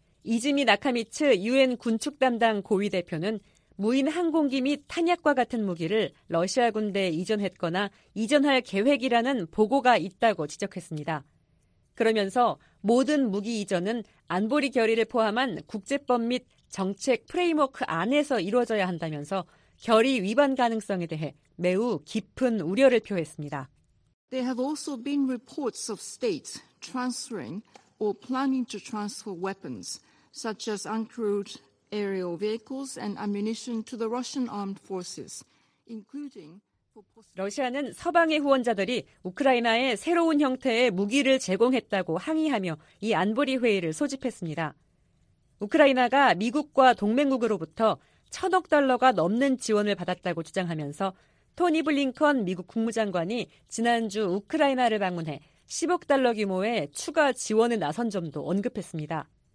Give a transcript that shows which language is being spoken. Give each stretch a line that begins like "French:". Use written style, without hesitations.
Korean: 이즈미 나카미츠 유엔 군축 담당 고위 대표는 무인 항공기 및 탄약과 같은 무기를 러시아 군대에 이전했거나 이전할 계획이라는 보고가 있다고 지적했습니다. 그러면서 모든 무기 이전은 안보리 결의를 포함한 국제법 및 정책 프레임워크 안에서 이루어져야 한다면서 결의 위반 가능성에 대해 매우 깊은 우려를 표했습니다.
English: There have also been reports of states transferring or planning to transfer weapons such as uncrewed aerial vehicles and ammunition to the Russian armed forces, including
Korean: 러시아는 서방의 후원자들이 우크라이나에 새로운 형태의 무기를 제공했다고 항의하며 이 안보리 회의를 소집했습니다. 우크라이나가 미국과 동맹국으로부터 천억 달러가 넘는 지원을 받았다고 주장하면서 토니 블링컨 미국 국무장관이 지난주 우크라이나를 방문해 10억 달러 규모의 추가 지원에 나선 점도 언급했습니다.